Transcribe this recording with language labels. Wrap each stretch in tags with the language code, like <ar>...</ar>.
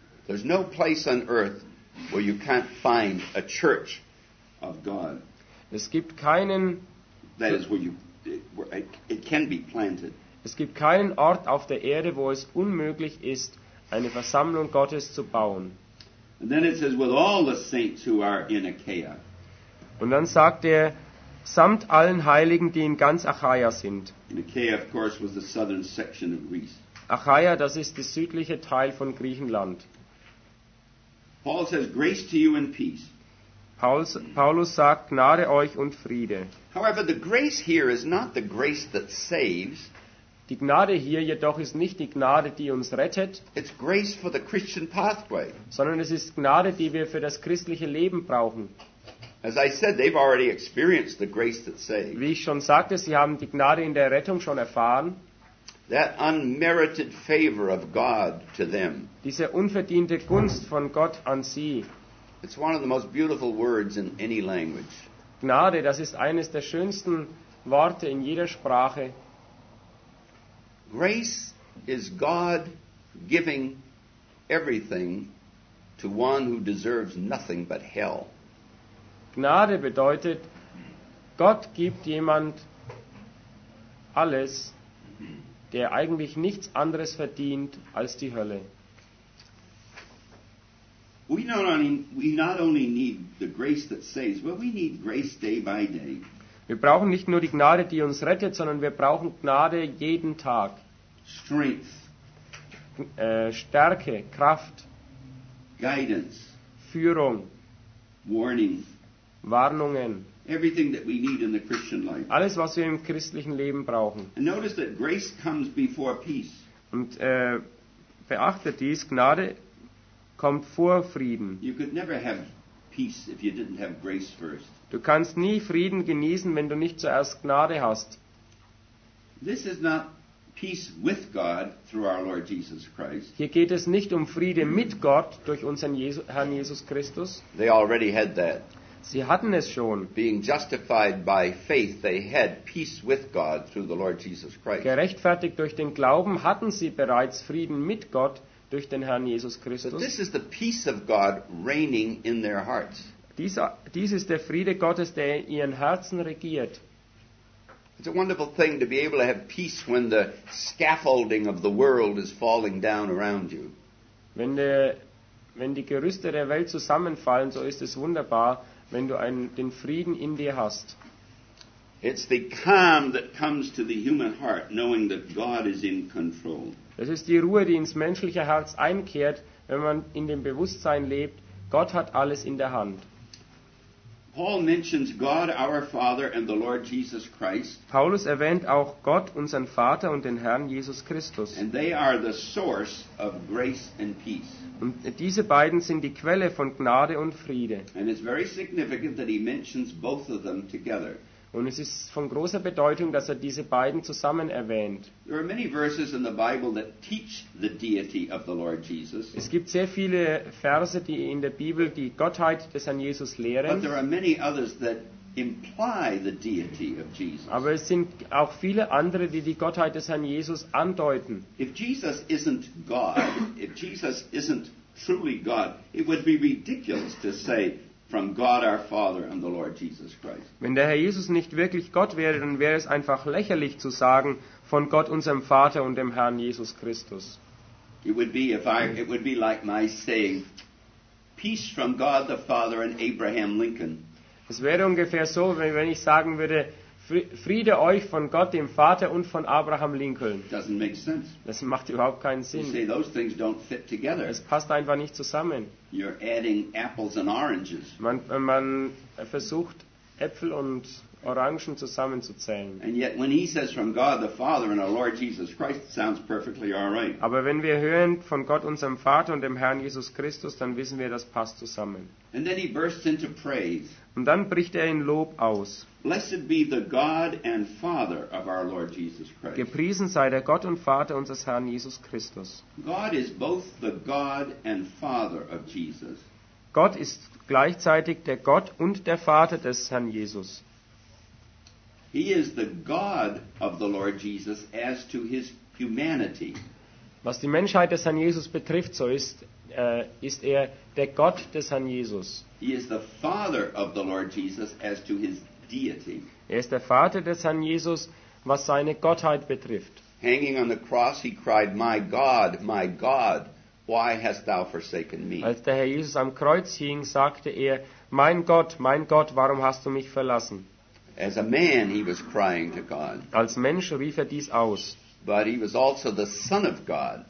<en>There's no place on earth where you can't find a church of God.</en> <de>Es gibt keinen,</de> <en>that is where you, where it can be planted.</en> <de>Es gibt keinen Ort auf der Erde, wo es unmöglich ist, eine Versammlung Gottes zu bauen.</de> <en>And then it says, with all the saints who are in Achaia.</en> <de>Und dann sagt er, samt allen Heiligen, die in ganz Achaia sind.</de> <en>And Achaia, of course, was the southern section of Greece.</en> <de>Achaia, das ist der südliche Teil von Griechenland.</de> <en>Paul says, grace to you and peace.</en> <de>Paulus sagt, Gnade euch und Friede.</de> <en>However, the grace here is not the grace that saves.</en> <de>Die Gnade hier jedoch ist nicht die Gnade, die uns rettet.</de> <en>It's grace for the Christian pathway.</en> <de>Sondern es ist Gnade, die wir für das christliche Leben brauchen.</de> <en>As I said, they've already experienced the grace that saves.</en> <de>Wie ich schon sagte, sie haben die Gnade in der Rettung schon erfahren.</de> <en>That unmerited favor of God to them.</en> <de>Diese unverdiente Gunst von Gott an sie.</de> <en>It's one of the most beautiful words in any language.</en> <de>Gnade, das ist eines der schönsten Worte in jeder Sprache.</de> <en>Grace is God giving everything to one who deserves nothing but hell.</en> <de>Gnade bedeutet, Gott gibt jemand alles, der eigentlich nichts anderes verdient als die Hölle. Wir brauchen nicht nur die Gnade, die uns rettet, sondern wir brauchen Gnade jeden Tag.</de> <en>Strength.</en> <de>Stärke, Kraft.</de> <en>Guidance.</en> <de>Führung.</de> <en>Warning.</en> <de>Warnungen.</de> <en>Everything that we need in the Christian life.</en> <de>Alles, was wir im christlichen Leben brauchen.</de> <en>And notice that grace comes before peace.</en> <de>Und beachtet dies, Gnade kommt vor Frieden.</de> <en>You could never have peace if you didn't have grace first.</en> <de>Du kannst nie Frieden genießen, wenn du nicht zuerst Gnade hast.</de> <en>This is not peace with God through our Lord Jesus Christ.</en> <de>Hier geht es nicht um Friede mit Gott durch unseren Herrn Jesus Christus.</de> <en>They already had that.</en> <de>Sie hatten es schon.</de> <en>Being justified by faith, they had peace with God through the Lord Jesus Christ.</en> <de>Gerechtfertigt durch den Glauben hatten sie bereits Frieden mit Gott durch den Herrn Jesus Christus.</de> <en>But this is the peace of God reigning in their hearts.</en> <de>Dies ist der Friede Gottes, der in ihren Herzen regiert.</de> <en>It's a wonderful thing to be able to have peace when the scaffolding of the world is falling down around you.</en> <de>Wenn die Gerüste der Welt zusammenfallen, so ist es wunderbar, wenn du den Frieden in dir hast.</de> <en>It's the calm that comes to the human heart, knowing that God is in control.</en> <de>Es ist die Ruhe, die ins menschliche Herz einkehrt, wenn man in dem Bewusstsein lebt, Gott hat alles in der Hand.</de> <en>Paul mentions God, our Father, and the Lord Jesus Christ.</en> <de>Paulus erwähnt auch Gott, unseren Vater, und den Herrn Jesus Christus.</de> <en>And they are the source of grace and peace.</en> <de>Und diese beiden sind die Quelle von Gnade und Friede.</de> <en>And it's very significant that he mentions both of them together.</en> <de>Und es ist von großer Bedeutung, dass diese beiden zusammen erwähnt.</de> <en>There are many verses in the Bible that teach the deity of the Lord Jesus.</en> <de>Es gibt sehr viele Verse, die in der Bibel die Gottheit des Herrn Jesus lehren.</de> <en>But there are many others that imply the deity of Jesus.</en> <de>Aber es sind auch viele andere, die die Gottheit des Herrn Jesus andeuten.</de> <en>If Jesus isn't God, if Jesus isn't truly God, it would be ridiculous to say from God our Father and the Lord Jesus Christ.</en> <de>Wenn der Herr Jesus nicht wirklich Gott wäre, dann wäre es einfach lächerlich zu sagen von Gott unserem Vater und dem Herrn Jesus Christus.</de> <en>It would be like my saying peace from God the Father and Abraham Lincoln.</en> <de>Es wäre ungefähr so, wenn ich sagen würde Friede euch von Gott dem Vater und von Abraham Lincoln.</de> <en>Doesn't make sense.</en> <de>Das macht überhaupt keinen Sinn.</de> <en>You say those things don't fit together.</en> <de>Es passt einfach nicht zusammen.</de> <en>You're adding apples and oranges.</en> <de>Man versucht Äpfel und Orangen zusammenzuzählen.</de> <en>And yet when he says from God the Father and our Lord Jesus Christ, it sounds perfectly all right.</en> <de>Aber wenn wir hören von Gott unserem Vater und dem Herrn Jesus Christus, dann wissen wir, das passt zusammen.</de> <en>And then he bursts into praise.</en> <de>Und dann bricht in Lob aus.</de> <en>Blessed be the God and Father of our Lord Jesus Christ.</en> <de>Gepriesen sei der Gott und Vater unseres Herrn Jesus Christus.</de> <en>God is both the God and Father of Jesus.</en> <de>Gott ist gleichzeitig der Gott und der Vater des Herrn Jesus.</de> <en>He is the God of the Lord Jesus as to his humanity.</en> <de>Was die Menschheit des Herrn Jesus betrifft, so ist der Gott des Herrn Jesus.</de> <en>He is the Father of the Lord Jesus as to his deity.</en> <de>Er ist der Vater des Herrn Jesus, was seine Gottheit betrifft.</de> <en>Hanging on the cross, he cried, my God, why hast thou forsaken me?</en> <de>Als der Herr Jesus am Kreuz hing, sagte mein Gott, warum hast du mich verlassen?</de> <en>As a man, he was crying to God.</en> <de>Als Mensch rief dies aus.</de> <en>But he was also the Son of God.</en>